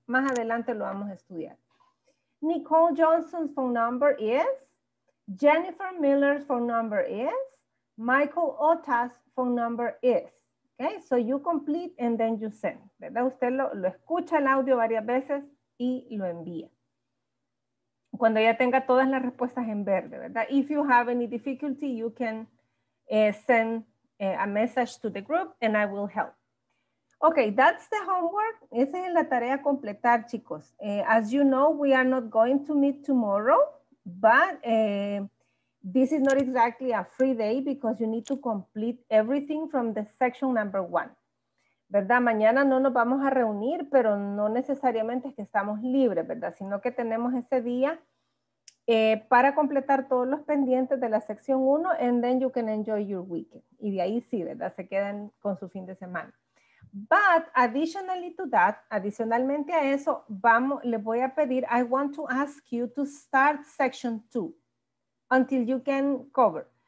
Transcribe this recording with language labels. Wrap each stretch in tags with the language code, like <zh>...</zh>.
<es>Más adelante lo vamos a estudiar.</es> <en>Nicole Johnson's phone number is, Jennifer Miller's phone number is, Michael Ota's phone number is. Okay, so you complete and then you send, ¿verdad?</en> <es>Usted lo escucha el audio varias veces y lo envía. Cuando ya tenga todas las respuestas en verde, ¿verdad?</es> <en>If you have any difficulty, you can send a message to the group and I will help. Okay, that's the homework.</en> <es>Esa es la tarea a completar, chicos.</es> <en>As you know, we are not going to meet tomorrow, but this is not exactly a free day because you need to complete everything from the section number one.</en> <es>¿Verdad? Mañana no nos vamos a reunir, pero no necesariamente es que estamos libres, ¿verdad? Sino que tenemos ese día para completar todos los pendientes de la sección 1,</es> <en>and then you can enjoy your weekend.</en> <es>Y de ahí sí, ¿verdad? Se quedan con su fin de semana.</es> <en>But additionally to that,</en> <es>adicionalmente a eso, vamos, le voy a pedir,</es> <en>I want to ask you to start section 2 until you can cover.</en>